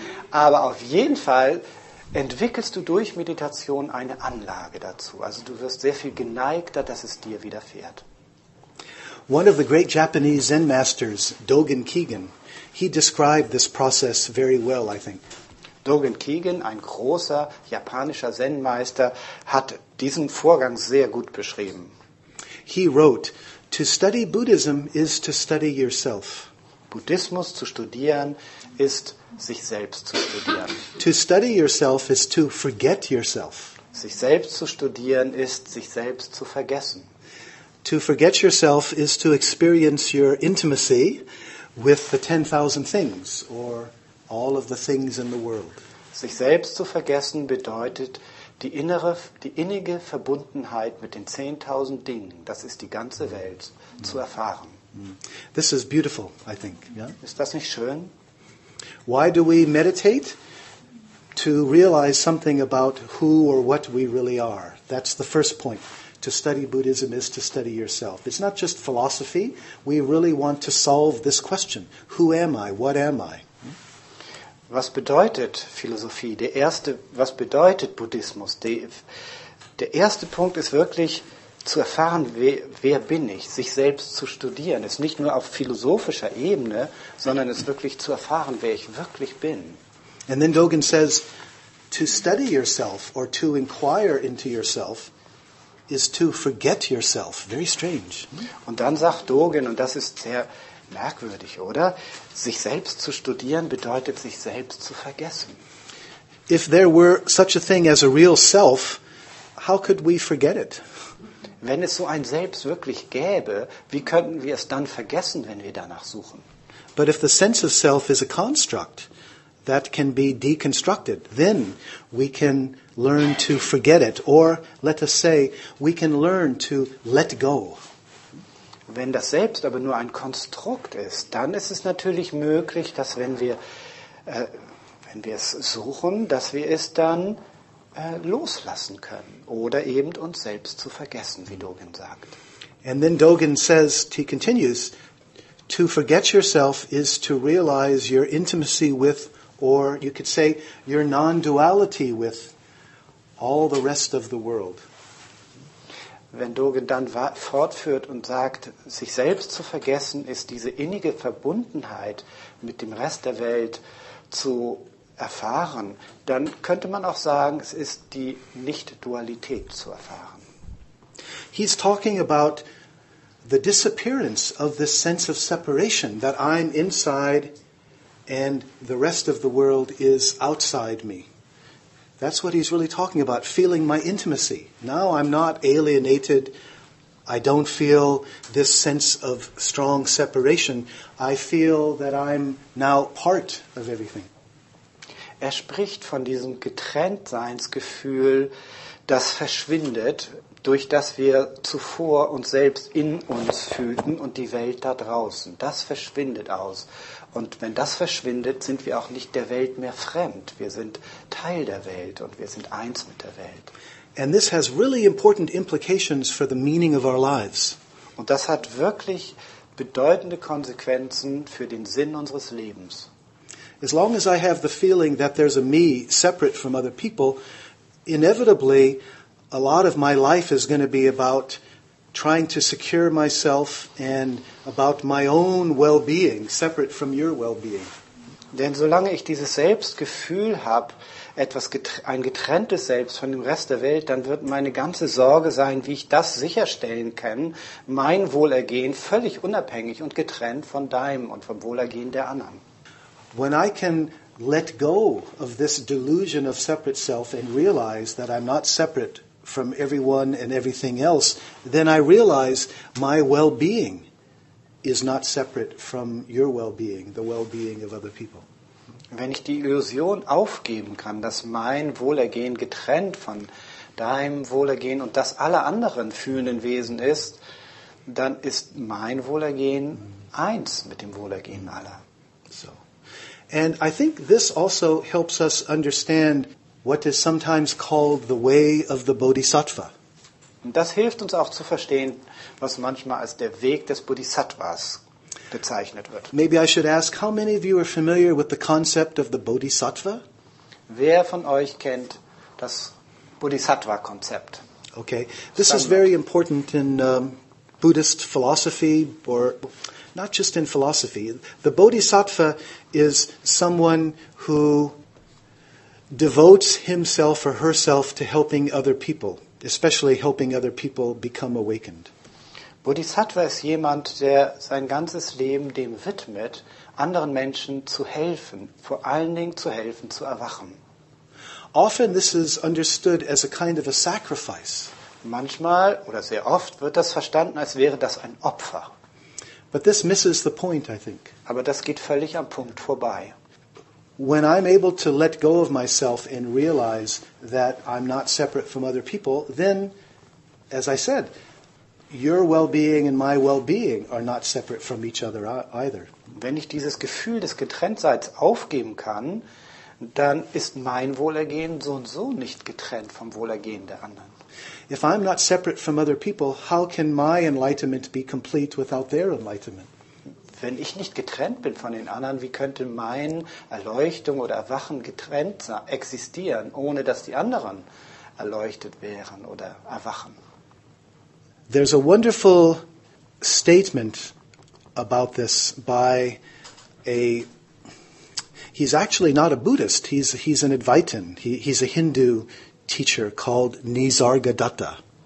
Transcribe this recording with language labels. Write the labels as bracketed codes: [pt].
[de] Aber auf jeden Fall entwickelst du durch Meditation eine Anlage dazu. Also du wirst sehr viel geneigter, dass es dir widerfährt. [en] One of the great Japanese Zen masters, Dogen Keegan, he described this process very well, I think. [de] Dogen Keegan, ein großer japanischer Zen-Meister, hat diesen Vorgang sehr gut beschrieben. [en] He wrote, "To study Buddhism is to study yourself." [de] Buddhismus zu studieren ist, sich selbst zu studieren. [en] To study yourself is to forget yourself. [de] Sich selbst zu studieren ist, sich selbst zu vergessen. [en] To forget yourself is to experience your intimacy with the 10,000 things or all of the things in the world. [de] Sich selbst zu vergessen bedeutet die innige Verbundenheit mit den 10,000 Dingen, das ist die ganze Welt, zu erfahren. [en] This is beautiful, I think. Yeah? [de] Ist das nicht schön? [en] Why do we meditate? To realize something about who or what we really are. That's the first point. To study Buddhism is to study yourself. It's not just philosophy. We really want to solve this question. Who am I? What am I? [de] Was bedeutet Philosophie? Was bedeutet Buddhismus? Der erste Punkt ist wirklich zu erfahren, wer bin ich? Sich selbst zu studieren. Es ist nicht nur auf philosophischer Ebene, sondern es wirklich zu erfahren, wer ich wirklich bin. [en] And then Dogen says, to study yourself or to inquire into yourself is to forget yourself. Very strange. [de] Und dann sagt Dogen, und das ist sehr merkwürdig, oder? Sich selbst zu studieren bedeutet, sich selbst zu vergessen. [en] If there were such a thing as a real self, how could we forget it? [de] Wenn es so ein Selbst wirklich gäbe, wie könnten wir es dann vergessen, wenn wir danach suchen? [en] But if the sense of self is a construct that can be deconstructed, then we can learn to forget it, or let us say, we can learn to let go. [de] Wenn das Selbst aber nur ein Konstrukt ist, dann ist es natürlich möglich, dass wenn wir es suchen, dass wir es dann loslassen können oder eben uns selbst zu vergessen, wie Dogen sagt. [en] And then Dogen says, he continues, to forget yourself is to realize your intimacy with, or you could say, your non-duality with all the rest of the world. [de] Wenn Dogen dann fortführt und sagt, sich selbst zu vergessen, ist diese innige Verbundenheit mit dem Rest der Welt zu erfahren, dann könnte man auch sagen, es ist die Nicht-Dualität zu erfahren. [en] He's talking about the disappearance of this sense of separation, that I'm inside and the rest of the world is outside me. That's what he's really talking about, feeling my intimacy. Now I'm not alienated. I don't feel this sense of strong separation. I feel that I'm now part of everything. [de] Er spricht von diesem Getrenntseinsgefühl, das verschwindet, durch das wir zuvor uns selbst in uns fühlten und die Welt da draußen. Das verschwindet aus. Und wenn das verschwindet, sind wir auch nicht der Welt mehr fremd. Wir sind Teil der Welt und wir sind eins mit der Welt. [en] And this has really important implications for the meaning of our lives. [de] Und das hat wirklich bedeutende Konsequenzen für den Sinn unseres Lebens. [en] As long as I have the feeling that there's a me separate from other people, inevitably a lot of my life is going to be about trying to secure myself and about my own well-being, separate from your well-being. [de] Denn solange ich dieses Selbstgefühl habe, ein getrenntes Selbst von dem Rest der Welt, dann wird meine ganze Sorge sein, wie ich das sicherstellen kann, mein Wohlergehen völlig unabhängig und getrennt von deinem und vom Wohlergehen der anderen. [en] When I can let go of this delusion of separate self and realize that I'm not separate from everyone and everything else, then I realize my well-being is not separate from your well-being, the well-being of other people. [de] Wenn ich die Illusion aufgeben kann, dass mein Wohlergehen getrennt von deinem Wohlergehen und das aller anderen fühlenden Wesen ist, dann ist mein Wohlergehen eins mit dem Wohlergehen aller. [en] So. And I think this also helps us understand what is sometimes called the way of the Bodhisattva. [de] Und das hilft uns auch zu verstehen, was manchmal als der Weg des Bodhisattvas bezeichnet wird. [en] Maybe I should ask, how many of you are familiar with the concept of the Bodhisattva? [de] Wer von euch kennt das Bodhisattva-Konzept? [en] Okay, this is very important in Buddhist philosophy, or not just in philosophy. The Bodhisattva is someone who devotes himself or herself to helping other people, especially helping other people become awakened. [de] Bodhisattva ist jemand, der sein ganzes Leben dem widmet, anderen Menschen zu helfen, vor allen Dingen zu helfen, zu erwachen. [en] Often this is understood as a kind of a sacrifice. [de] Manchmal oder sehr oft wird das verstanden, als wäre das ein Opfer. [en] But this misses the point, I think. [de] Aber das geht völlig am Punkt vorbei. [en] When I'm able to let go of myself and realize that I'm not separate from other people, then, as I said, your well-being and my well-being are not separate from each other either. [de] Wenn ich dieses Gefühl des Getrenntseins aufgeben kann, dann ist mein Wohlergehen so und so nicht getrennt vom Wohlergehen der anderen. [en] If I'm not separate from other people, how can my enlightenment be complete without their enlightenment? [de] Wenn ich nicht getrennt bin von den anderen, wie könnte meine Erleuchtung oder Erwachen getrennt existieren, ohne dass die anderen erleuchtet wären oder erwachen? [en] There's a wonderful statement about this by a... He's actually not a Buddhist, he's an Advaitin. He's a Hindu teacher called Nisargadatta.